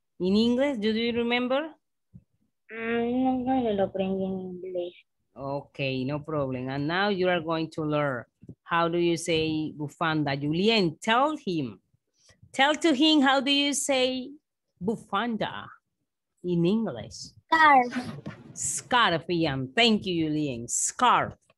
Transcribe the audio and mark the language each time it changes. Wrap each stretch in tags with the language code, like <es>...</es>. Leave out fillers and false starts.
<en>In English, do you remember?</en> <es>No, no lo aprendí en inglés.</es> <en>Okay, no problem. And now you are going to learn how do you say bufanda. Julien, tell him. Tell to him, how do you say bufanda in English? Scarf. Scarf, Ian. Thank you, Julien. Scarf.</en>